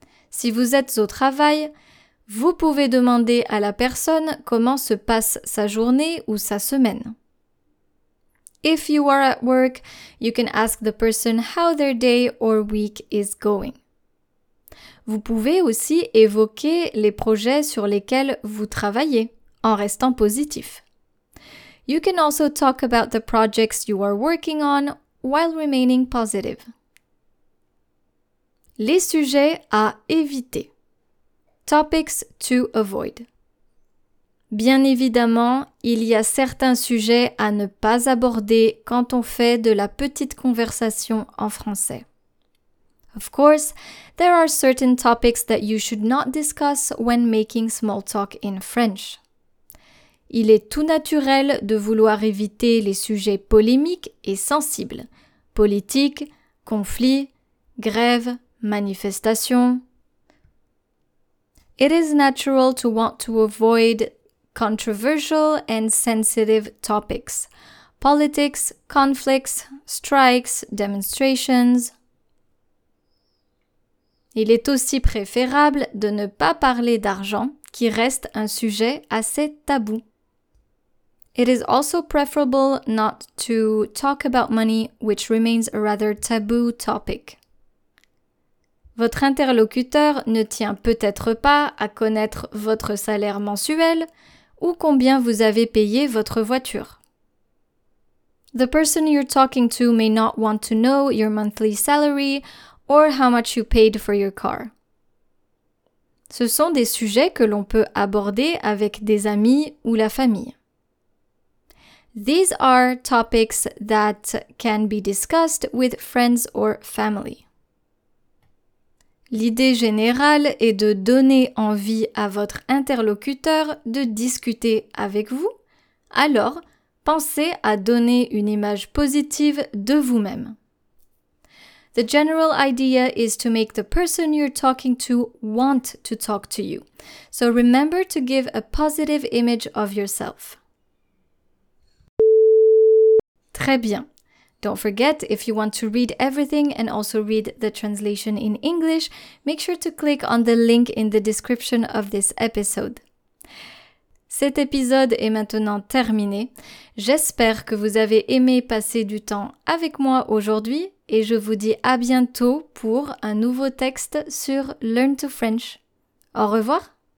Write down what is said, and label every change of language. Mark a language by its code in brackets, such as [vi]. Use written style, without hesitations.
[fr] Si vous êtes au travail, vous pouvez demander à la personne comment se passe sa journée ou sa semaine. [en] If you are at work, you can ask the person how their day or week is going. [fr] Vous pouvez aussi évoquer les projets sur lesquels vous travaillez en restant positif. [en] You can also talk about the projects you are working on while remaining positive. [fr] Les sujets à éviter. [en] Topics to avoid. [fr] Bien évidemment, il y a certains sujets à ne pas aborder quand on fait de la petite conversation en français. [en] Of course, there are certain topics that you should not discuss when making small talk in French. [fr] Il est tout naturel de vouloir éviter les sujets polémiques et sensibles, politique, conflits, grève, manifestation. [en] It is natural to want to avoid controversial and sensitive topics, politics, conflicts, strikes, demonstrations. [fr] Il est aussi préférable de ne pas parler d'argent, qui reste un sujet assez tabou. [en] It is also preferable not to talk about money, which remains a rather taboo topic. [fr] Votre interlocuteur ne tient peut-être pas à connaître votre salaire mensuel ou combien vous avez payé votre voiture. [en] The person you're talking to may not want to know your monthly salary or how much you paid for your car. [fr] Ce sont des sujets que l'on peut aborder avec des amis ou la famille. [en] These are topics that can be discussed with friends or family. [fr] L'idée générale est de donner envie à votre interlocuteur de discuter avec vous. Alors, pensez à donner une image positive de vous-même. [en] The general idea is to make the person you're talking to want to talk to you. So remember to give a positive image of yourself. [fr] Très bien. [en] Don't forget, if you want to read everything and also read the translation in English, make sure to click on the link in the description of this episode. [fr] Cet épisode est maintenant terminé. J'espère que vous avez aimé passer du temps avec moi aujourd'hui et je vous dis à bientôt pour un nouveau texte sur Learn to French. Au revoir!